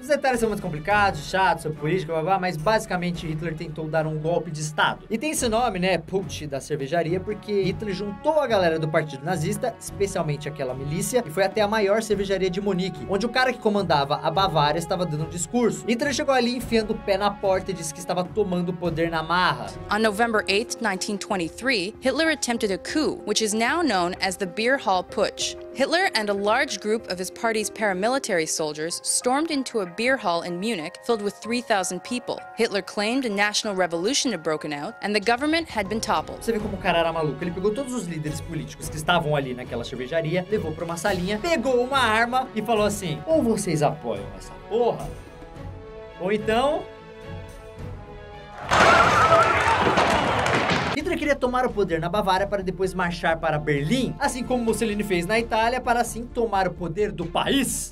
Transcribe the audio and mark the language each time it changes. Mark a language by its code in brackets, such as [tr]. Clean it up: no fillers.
[pt] Os detalhes são muito complicados, chatos, sobre política, blá, blá, mas basicamente Hitler tentou dar um golpe de Estado. E tem esse nome, né, putsch da cervejaria, porque Hitler juntou a galera do Partido Nazista, especialmente aquela milícia, e foi até a maior cervejaria de Munique, onde o cara que comandava a Bavária estava dando um discurso. Hitler chegou ali enfiando o pé na porta e disse que estava tomando o poder na marra. [en] On November 8th, 1923, Hitler attempted a coup, which is now known as the Beer Hall Putsch. Hitler and a large group of his party's paramilitary soldiers stormed into a beer hall in Munich filled with 3,000 people. Hitler claimed a national revolution had broken out and the government had been toppled. [pt] Você vê como o cara era maluco. Ele pegou todos os líderes políticos que estavam ali naquela cervejaria, levou para uma salinha, pegou uma arma e falou assim, ou vocês apoiam essa porra, ou então... Hitler queria tomar o poder na Bavária para depois marchar para Berlim, assim como Mussolini fez na Itália, para assim tomar o poder do país.